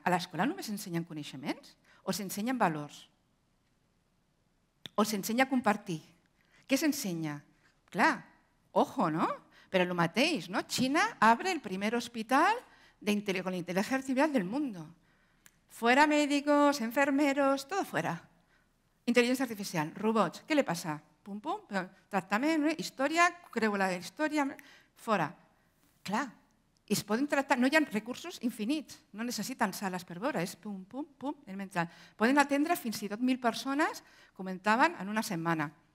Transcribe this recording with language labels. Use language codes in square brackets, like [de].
[ca] A l'escola només s'ensenyen coneixements? O s'ensenyen valors? O s'ensenya a compartir? Què s'ensenya? Clar, ojo, no? Però el mateix, no? [es] Xina abre el primer hospital con [ca] intel·ligència artificial del món. [es] Fuera médicos, enfermeros, todo fuera. [ca] Intel·ligència artificial, robots, què li passa? Pum, pum, tractament, no? Història, creu la història, fora. Clar, i es poden tractar, no hi ha recursos infinits, no necessiten sales per veure, és pum, pum, pum, el mental. Poden atendre fins i tot 1.000 persones, comentaven, en una setmana.